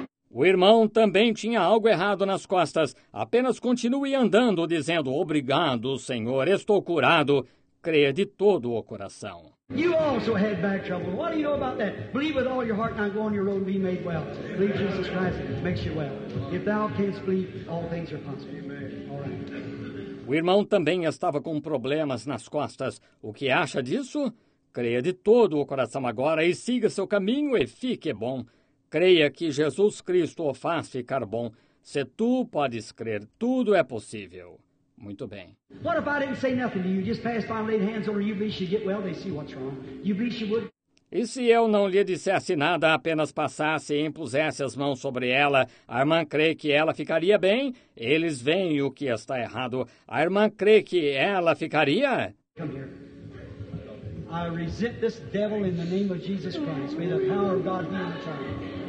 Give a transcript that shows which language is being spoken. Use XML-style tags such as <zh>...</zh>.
<pt>O irmão também tinha algo errado nas costas. Apenas continue andando, dizendo: obrigado, Senhor, estou curado. Creia de todo o coração.</pt> <en>You also had back trouble. What do you know about that? Believe with all your heart, and go on your road and be made well. Believe Jesus Christ makes you well. If thou canst believe, all things are possible. Amen. All right.</en> <pt>O irmão também estava com problemas nas costas. O que acha disso? Creia de todo o coração agora e siga seu caminho e fique bom. Creia que Jesus Cristo o faz ficar bom. Se tu podes crer, tudo é possível. Muito bem.</pt> <en>What if I didn't say nothing to you? Just pass by and lay hands on her. You believe she'd get well? They see what's wrong. You believe she would?</en> <pt>E se eu não lhe dissesse nada, apenas passasse e impusesse as mãos sobre ela, a irmã crê que ela ficaria bem? Eles veem o que está errado. A irmã crê que ela ficaria?</pt> <en>Come here. I resent this devil in the name of Jesus Christ. May the power of God be in the trial.</en>